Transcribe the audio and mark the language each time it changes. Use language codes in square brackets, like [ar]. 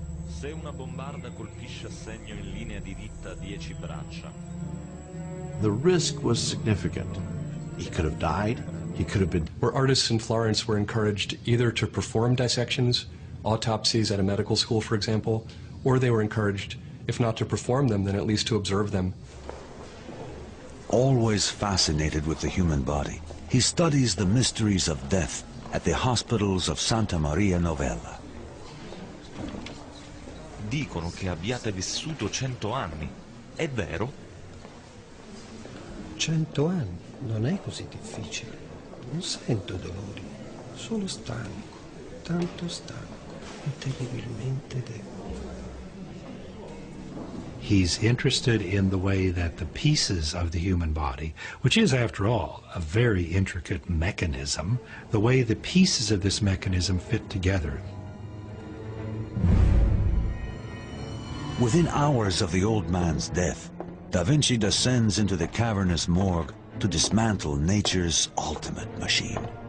[it] Se una bombarda colpisce a segno in linea di ditta 10 braccia. [en] The risk was significant. He could have died. He could have been. Where artists in Florence were encouraged either to perform dissections, autopsies at a medical school, for example, or they were encouraged, if not to perform them, then at least to observe them. Always fascinated with the human body, he studies the mysteries of death at the hospitals of Santa Maria Novella. [it] Dicono che abbiate vissuto 100 anni. È vero? 100 anni non è così difficile. Non sento dolori, solo stanco, tanto stanco, terribilmente debole. [en] He's interested in the way that the pieces of the human body, which is, after all, a very intricate mechanism, the way the pieces of this mechanism fit together. Within hours of the old man's death, Da Vinci descends into the cavernous morgue to dismantle nature's ultimate machine.